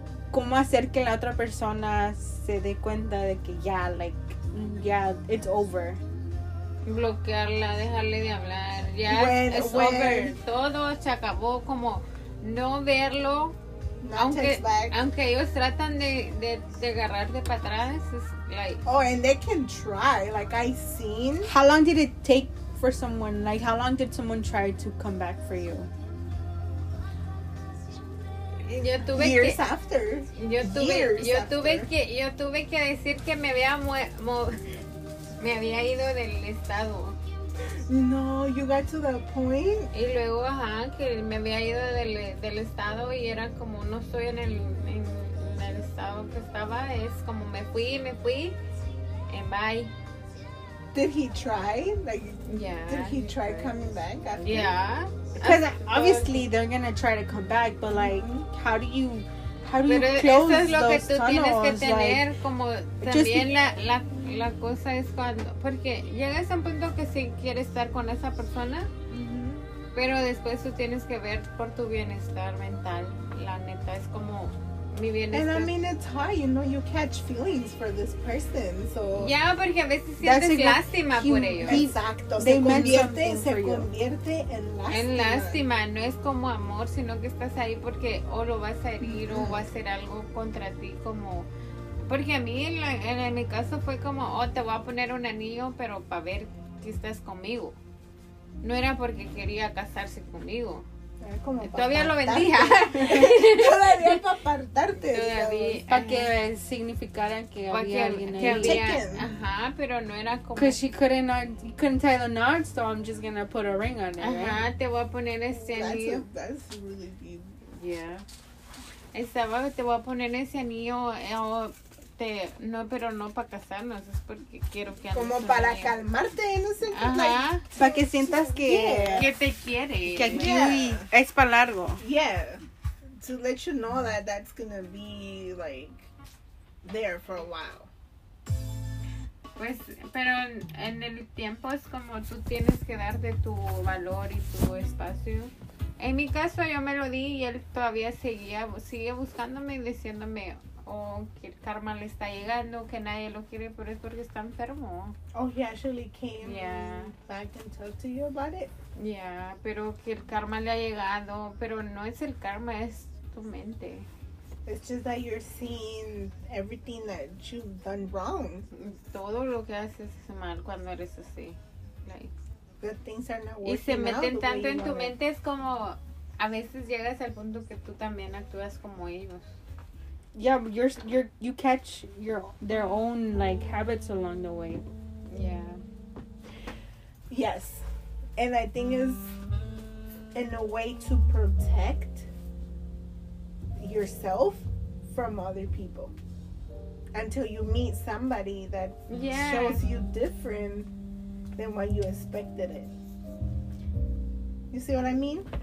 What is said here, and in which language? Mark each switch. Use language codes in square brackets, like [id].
[es] ¿Cómo hacer que la otra persona se dé cuenta de que ya, like, ya, [en] it's over? [es] Bloquearla, dejarle de hablar, ya, [en] it's over. [es] Todo se acabó, como no verlo. Aunque ellos tratan de agarrarte para atrás, es like, [en] oh, and they can try. Like, I've seen. How long did it take for someone? Like, how long did someone try to come back for you? [es] Yo tuve que decir que me había me había ido del estado. [en] No, you got to that point. [es] Y luego, ajá, que me había ido del estado y era como no estoy en el estado que estaba. Es como me fui, [en] and bye. Did he try? Like, yeah. Did he try coming back? After? Yeah. Because obviously they're gonna try to come back, but like, how do you [es] pero [en] close [es] eso es lo [en] those [es] que tú [en] tunnels? [es] Tienes que tener, like, como también la cosa es cuando, porque llegas a un punto que si quieres estar con esa persona, Pero después tú tienes que ver por tu bienestar mental. La neta, es como mi bienestar. [en] And I mean, it's hard, you know, you catch feelings for this person, so... [es] Yeah, porque a veces sientes lástima por ellos. Exacto, se convierte en lástima. En lástima, no es como amor, sino que estás ahí porque o lo vas a herir o va a hacer algo contra ti, como... Porque a mí, en mi caso, fue como, oh, te voy a poner un anillo, pero para ver si estás conmigo. No era porque quería casarse conmigo. Todavía lo vendía. Todavía para apartarte. Todavía. Para que significara que había alguien ahí. Ajá, pero no era como. [en] Because she couldn't tie the knot, so I'm just gonna put a ring on it. Ajá, right? [es] Te voy a poner ese anillo. [en] That's really deep. [es] Yeah. Te voy a poner ese anillo. No, pero no para casarnos, es porque quiero que como para bien. Calmarte, no sé, like, para que sientas que que te quiere, que aquí es para largo. [en] Yeah, to let you know that that's gonna be like there for a while. [es] Pues, pero en el tiempo es como tú tienes que darte tu valor y tu espacio. En mi caso yo me lo di y él todavía sigue buscándome y diciéndome que el karma le está llegando, que nadie lo quiere, pero es porque está enfermo. [en] Oh, he actually came back and talked to you about it. [es] Yeah, pero que el karma le ha llegado, pero no es el karma, es tu mente. [en] It's just that you're seeing everything that you've done wrong. [es] Todo lo que haces es mal cuando eres así. Like, [en] the things are not working. [es] Y se meten tanto en tu mente, es como a veces llegas al punto que tú también actúas como ellos. [en] Yeah, you catch their own like habits along the way. Yeah. Yes, and I think it's in a way to protect yourself from other people until you meet somebody that shows you different than what you expected it. You see what I mean?